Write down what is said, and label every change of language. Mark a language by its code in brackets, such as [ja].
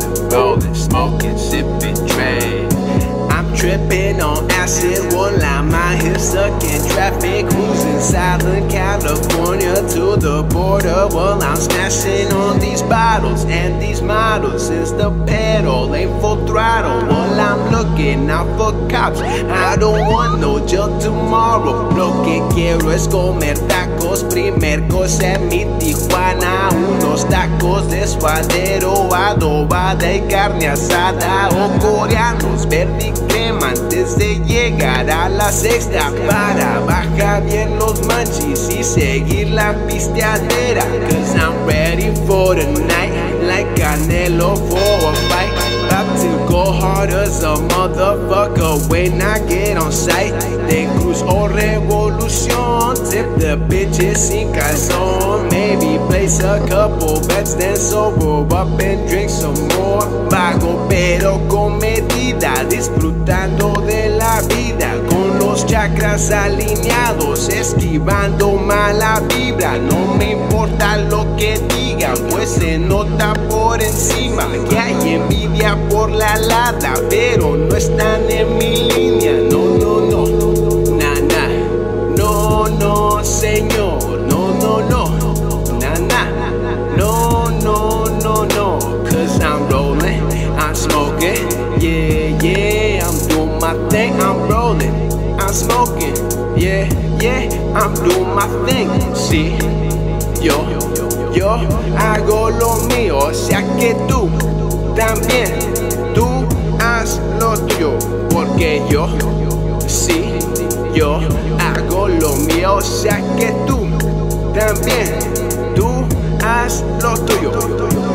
[en] Bolden, smoking, sipping, train. I'm tripping on acid, one line, my hips stuck in traffic. Who's inside the California to the border? Well, I'm smashing on these bottles and these models. It's the pedal, ain't full throttle. Well, I'm looking out for cops. I don't want no jail tomorrow. [es] Lo que quiero es comer tacos. Primer cosa en mi Tijuana, unos tacos de suadero, adobada y carne asada. O coreanos, verde y crema antes de llegar a la sexta. Para bajar bien los manchis y seguir la pisteadera. [en] Cause I'm ready for the night, like Canelo for a fight. Go hard as a motherfucker when I get on sight. [es] De Cruz o Revolución, [en] tip the bitches [es] sin calzón. [en] Maybe place a couple bets, then sober up and drink some more. [es] Vago pero con medida, disfrutando de la vida. Con los chakras alineados, esquivando mala vibra. No me importa lo que digan, pues se nota por encima que hay envidia por la lata, pero no están en mi línea. No, no, no, na, na. No, no, señor. No, no, no, na, na. No, no, no, no. [en] Cause I'm rolling, I'm smoking. Yeah, yeah, I'm doing my thing. I'm rolling, I'm smoking. Yeah, yeah, I'm doing my thing. [es] Sí, yo, yo hago lo mío. O sea que tú también, tú haz lo tuyo. Porque yo, sí, yo hago lo mío. O sea que tú también, tú haz lo tuyo.